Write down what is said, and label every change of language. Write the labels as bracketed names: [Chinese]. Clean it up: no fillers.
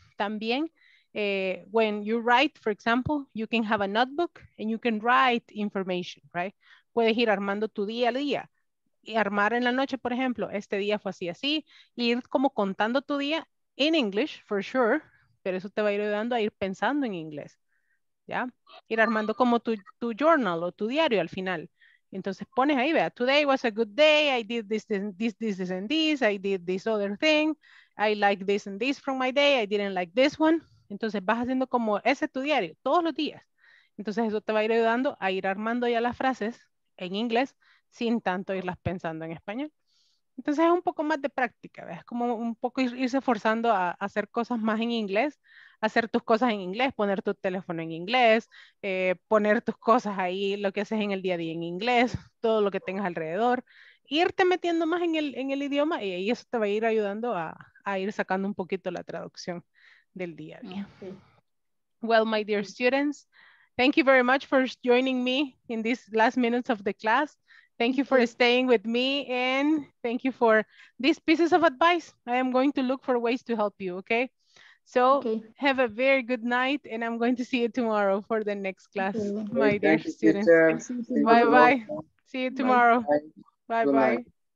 [English] También, when you write, for example, you can have a notebook and you can write information, right? [Spanish] Puedes ir armando tu día a día. Y armar en la noche, por ejemplo, este día fue así, así. Y ir como contando tu día in English, for sure. Pero eso te va a ir ayudando a ir pensando en inglés. ¿Ya? Ir armando como tu journal o tu diario al final. [English] Entonces pones ahí, vea, today was a good day, I did this and this, I did this other thing, I like this and this from my day, I didn't like this one. [Spanish] Entonces vas haciendo como ese tu diario, todos los días. Entonces eso te va a ir ayudando a ir armando ya las frases en inglés sin tanto irlas pensando en español. Entonces es un poco más de práctica, ¿ves? Como un poco irse forzando a hacer cosas más en inglés, hacer tus cosas en inglés, poner tu teléfono en inglés, poner tus cosas ahí, lo que haces en el día a día en inglés, todo lo que tengas alrededor, irte metiendo más en el idioma y ahí eso te va a ir ayudando a ir sacando un poquito la traducción del día a día. [English] Okay. Well, my dear students, thank you very much for joining me in these last minutes of the class. Thank you for staying with me and thank you for these pieces of advice. I am going to look for ways to help you, okay? So okay. Have a very good night and I'm going to see you tomorrow for the next class, okay. My dear students. Bye-bye. See you tomorrow. Bye-bye.